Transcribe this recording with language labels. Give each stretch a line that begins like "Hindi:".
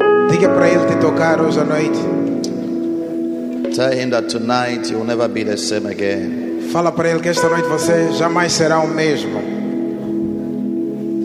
Portuguese: Diga para ele te tocar hoje à noite.
English: Tell him that tonight you will never be the same again.
Portuguese: Fala para ele que esta noite você jamais será o mesmo.